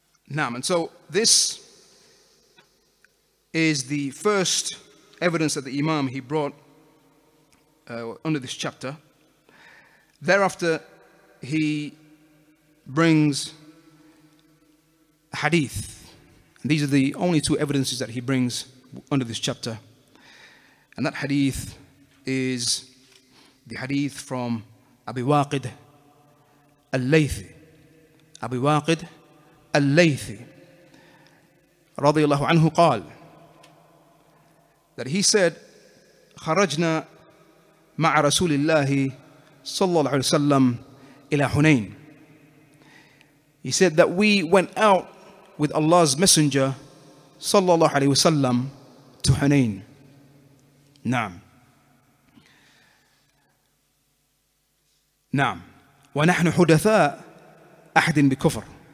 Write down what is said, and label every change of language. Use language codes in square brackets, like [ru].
[en] Naam. And so this is the first evidence that the Imam he brought under this chapter. Thereafter, he brings hadith. And these are the only two evidences that he brings under this chapter. And that hadith is the hadith from Abi Waqid [ar] الليثي أبي واقد الليثي رضي الله عنه قال [en] that he said [ar] خرجنا مع رسول الله صلى الله عليه وسلم إلى حنين. [en] He said that we went out with Allah's messenger sallallahu alayhi wa sallam to Hunayn. Naam. [ar] Naam. Wa nahnu hudatha ahdin bi kufr.